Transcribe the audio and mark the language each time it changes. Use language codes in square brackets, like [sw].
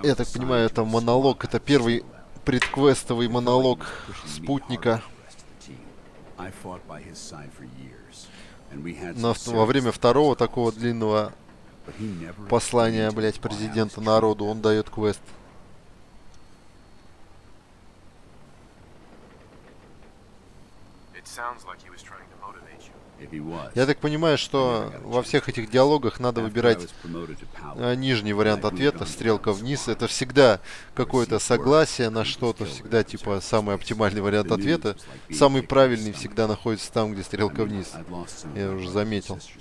[ru] assigned, я так понимаю, это монолог, это первый предквестовый монолог спутника. [en] I fought by his side for years, and we had. [ru] Во время второго такого длинного послания, блять, президента народу, он дает квест. [en] Sounds like he was trying to motivate you. [ru] Я так понимаю, что во всех этих диалогах надо выбирать нижний вариант ответа, стрелка вниз. Это всегда какое-то согласие на что-то, всегда типа самый оптимальный вариант ответа. Самый правильный всегда находится там, где стрелка вниз. Я уже заметил.